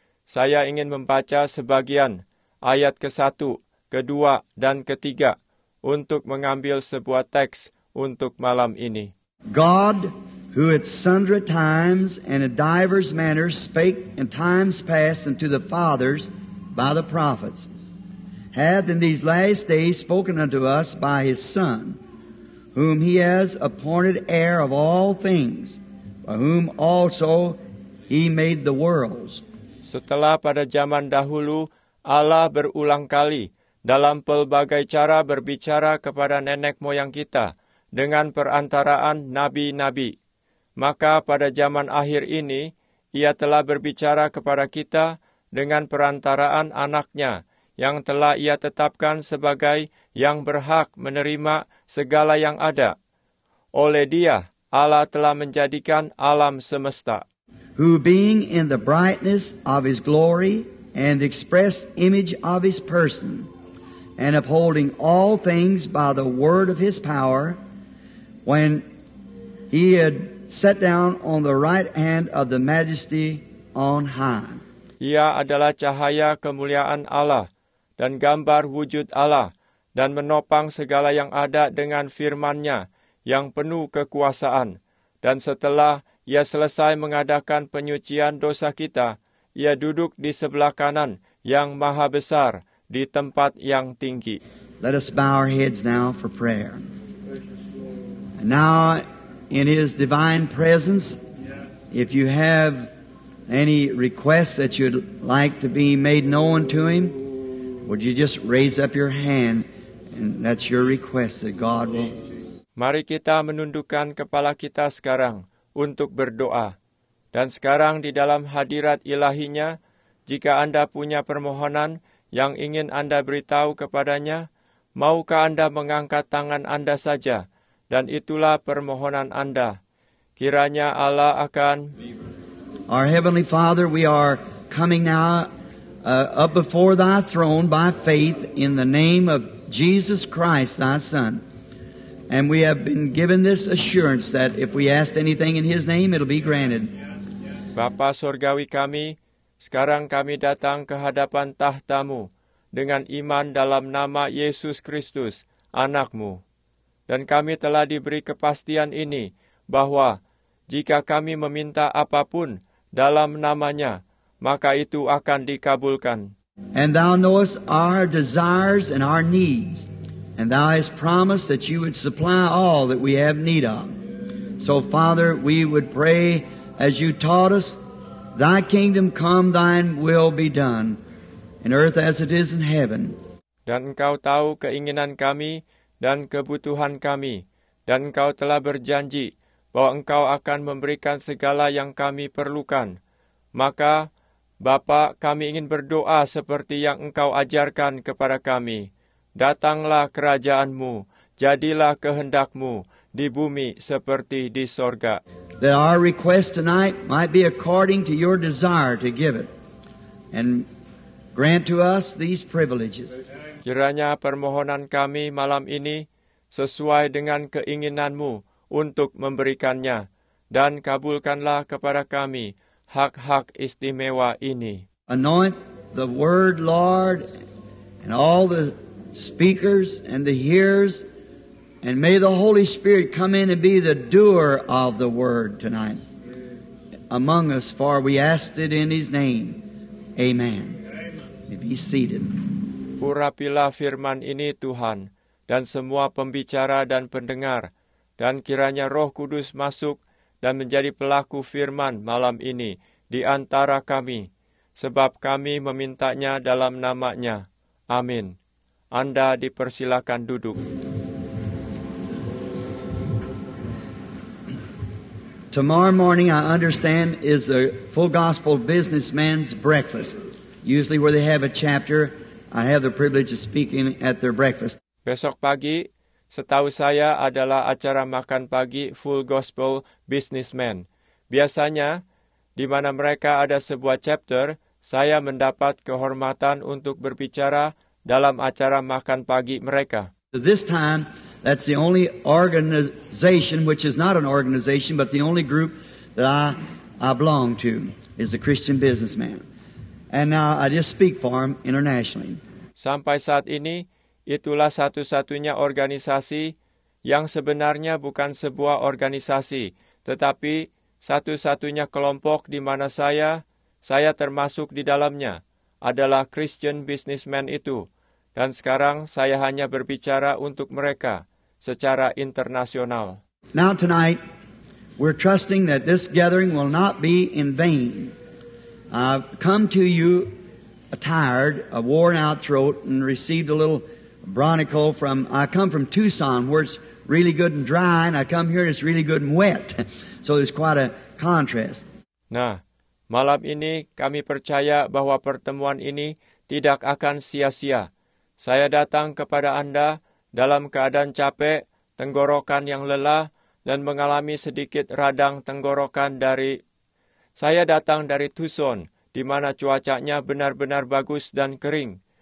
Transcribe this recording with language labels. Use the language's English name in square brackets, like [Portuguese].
[Indonesian] Saya ingin membaca sebagian ayat ke-1, ke-2, dan ke-3 untuk mengambil sebuah teks untuk malam ini. [English] God, who at sundry times and in divers manners spake in times past unto the fathers by the prophets, hath in these last days spoken unto us by his Son, whom he has appointed heir of all things, by whom also he made the worlds. [Indonesian] Setelah pada zaman dahulu, Allah berulang kali dalam pelbagai cara berbicara kepada nenek moyang kita dengan perantaraan nabi-nabi. Maka pada zaman akhir ini, ia telah berbicara kepada kita dengan perantaraan anaknya yang telah ia tetapkan sebagai yang berhak menerima segala yang ada. Oleh dia, Allah telah menjadikan alam semesta. [English] Who being in the brightness of his glory and the express image of his person, and upholding all things by the word of his power, when he had sat down on the right hand of the majesty on high. [Indonesian] Ia adalah cahaya kemuliaan Allah dan gambar wujud Allah, dan menopang segala yang ada dengan firman-Nya yang penuh kekuasaan. Dan setelah ia selesai mengadakan penyucian dosa kita, ia duduk di sebelah kanan yang maha besar di tempat yang tinggi. [English] Let us bow our heads now for prayer. And now in his divine presence, if you have any requests that you'd like to be made known to him, would you just raise up your hand? And that's your request that God will. [Indonesian] Mari kita menundukkan kepala kita sekarang untuk berdoa. Dan sekarang di dalam hadirat ilahinya, jika Anda punya permohonan yang ingin Anda beritahu kepadanya, maukah Anda mengangkat tangan Anda saja, dan itulah permohonan Anda. Kiranya Allah akan. [English] Our Heavenly Father, we are coming now up before Thy throne by faith in the name of Jesus Christ, Thy Son. And we have been given this assurance that if we ask anything in His name, it'll be granted. [Indonesian] Bapa Surgawi kami, sekarang kami datang ke hadapan tahtamu dengan iman dalam nama Yesus Kristus, anakmu. Dan kami telah diberi kepastian ini, bahwa jika kami meminta apapun dalam namanya, maka itu akan dikabulkan. [English] And thou knowest our desires and our needs, and thou hast promised that you would supply all that we have need of. So, Father, we would pray as you taught us, thy kingdom come, thine will be done, in earth as it is in heaven. [Indonesian] Dan engkau tahu keinginan kami dan kebutuhan kami, dan engkau telah berjanji bahwa engkau akan memberikan segala yang kami perlukan. Maka, Bapa, kami ingin berdoa seperti yang Engkau ajarkan kepada kami. Datanglah kerajaan-Mu, jadilah kehendak-Mu di bumi seperti di sorga. [English] That our request tonight might be according to your desire to give it and grant to us these privileges. [Indonesian] Kiranya permohonan kami malam ini sesuai dengan keinginan-Mu untuk memberikannya, dan kabulkanlah kepada kami hak-hak istimewa ini. [English] Anoint the word, Lord, and all the speakers and the hearers, and may the Holy Spirit come in and be the doer of the word tonight among us, for we ask it in His name. Amen. May be seated. [Indonesian] Urapilah firman ini, Tuhan, dan semua pembicara dan pendengar, dan kiranya Roh Kudus masuk dan menjadi pelaku firman malam ini di antara kami, sebab kami memintanya dalam nama-Nya. Amin. Anda dipersilakan duduk. [English] Tomorrow morning, I understand, is a full gospel businessman's breakfast. Usually where they have a chapter, I have the privilege of speaking at their breakfast. [Indonesian] Besok pagi, setahu saya adalah acara makan pagi full gospel businessman. Biasanya, di mana mereka ada sebuah chapter, saya mendapat kehormatan untuk berbicara dalam acara makan pagi mereka. [English] This time, that's the only organization, which is not an organization, but the only group that I belong to, is the Christian businessman. And now I just speak for him internationally. [Indonesian] Sampai saat ini, itulah satu-satunya organisasi yang sebenarnya bukan sebuah organisasi, tetapi satu-satunya kelompok di mana saya termasuk di dalamnya, adalah Christian businessman itu. Dan sekarang saya hanya berbicara untuk mereka secara internasional. [English] Now tonight, we're trusting that this gathering will not be in vain. I've come to you a tired, a worn-out throat, and received a little bronchial from... I come from Tucson, where it's really good and dry, and I come here and it's really good and wet. So there's quite a contrast. [Indonesian] Nah, malam ini kami percaya bahwa pertemuan ini tidak akan sia-sia. Saya datang kepada Anda dalam keadaan capek, tenggorokan yang lelah, dan mengalami sedikit radang tenggorokan dari... Saya datang dari Tucson, di mana cuacanya benar-benar bagus dan kering.